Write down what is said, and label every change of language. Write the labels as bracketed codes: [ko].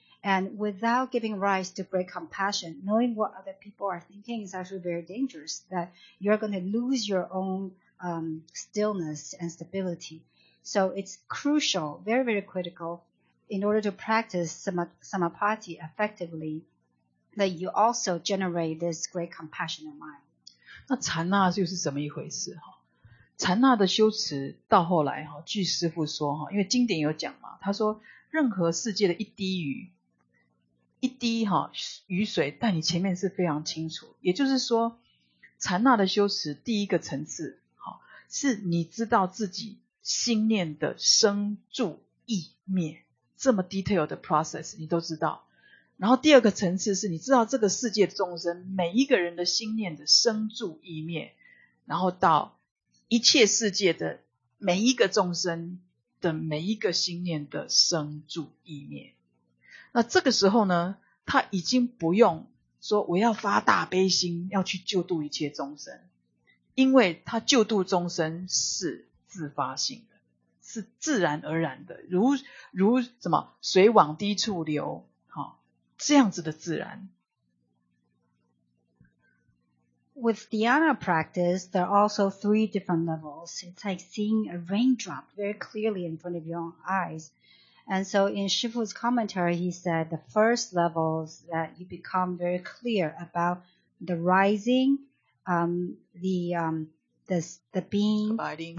[en] And without giving rise to great compassion, knowing what other people are thinking is actually very dangerous, that you're going to lose your own stillness and stability. So it's crucial, very, very critical, in order to practice samapatti effectively, that you also generate this great compassion in mind. [zh] 那禅那又是怎么一回事？禅那的修持到后来，据师父说，因为经典有讲嘛，他说任何世界的一滴雨，一滴雨水在你前面是非常清楚，也就是说禅那的修持第一个层次是你知道自己心念的生住意灭，这么 [en] detail [zh] 的 [en] process [zh] 你都知道。然后第二个层次是你知道这个世界的众生每一个人的心念的生住意灭，然后到一切世界的每一个众生的每一个心念的生住意灭。那这个时候呢，他已经不用说我要发大悲心要去救度一切众生，因为他救度众生是自发性的，是自然而然的，如什么水往低处流，这样子的自然。 [en] With dhyana practice, there are also three different levels. It's like seeing a raindrop very clearly in front of your own eyes. And so in Shifu's commentary, he said the first level is that you become very clear about the rising, the being,